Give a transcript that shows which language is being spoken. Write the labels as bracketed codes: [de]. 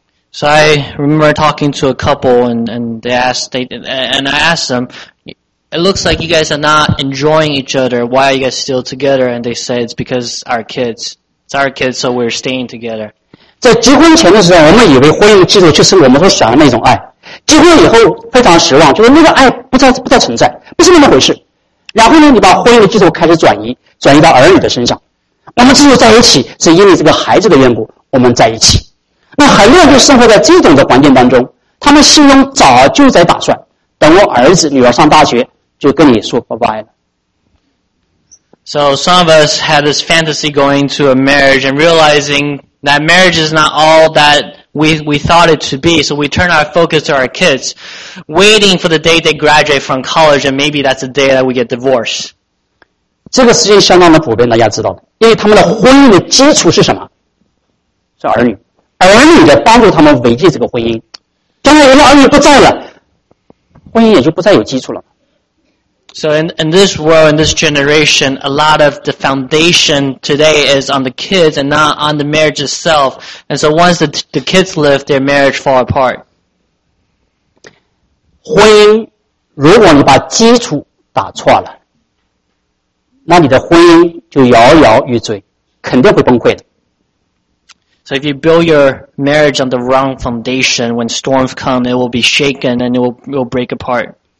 [en] So I remember talking to a couple and I asked them, it looks like you guys are not enjoying each other, why are you guys still together? And they said it's because our kids. It's our kids, so we're staying together. [zh] 在结婚前的时候，我们以为婚姻的基础就是我们所想的那种爱，结婚以后非常失望，就是那个爱不再存在，不是那么回事。然后呢，你把婚姻的基础开始转移到儿女的身上。我们之所以在一起是因为这个孩子的缘故，我们在一起。那很多人就生活在这种的环境当中，他们心中早就在打算，等我儿子女儿上大学就跟你说拜拜了。 [en] So some of us had this fantasy going to a marriage and realizing that marriage is not all that we thought it to be, so we turn our focus to our kids, waiting for the day they graduate from college, and maybe that's the day that we get divorced. [zh] 这个事情相当的普遍，大家知道的，因为他们的婚姻的基础是什么？是儿女，儿女在帮助他们维系这个婚姻。将来有了儿女不在了，婚姻也就不再有基础了。 [en] So in this world, in this generation, a lot of the foundation today is on the kids and not on the marriage itself. And so once the kids leave, their marriage fall apart. [zh] 婚姻，如果你把基础打错了，那你的婚姻就摇摇欲坠，肯定会崩溃的。 [en] So if you build your marriage on the wrong foundation, when storms come, it will be shaken and it will break apart.